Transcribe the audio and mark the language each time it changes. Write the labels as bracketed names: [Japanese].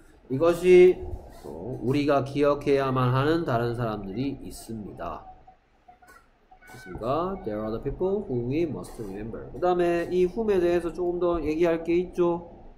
[Korean] 이것이 우리가 기억해야만 하는 다른 사람들이 있습니다. 그렇습니까? [English] There are other people whom we must remember. [Korean] 그 다음에 이 whom에 대해서 조금 더 얘기할 게 있죠?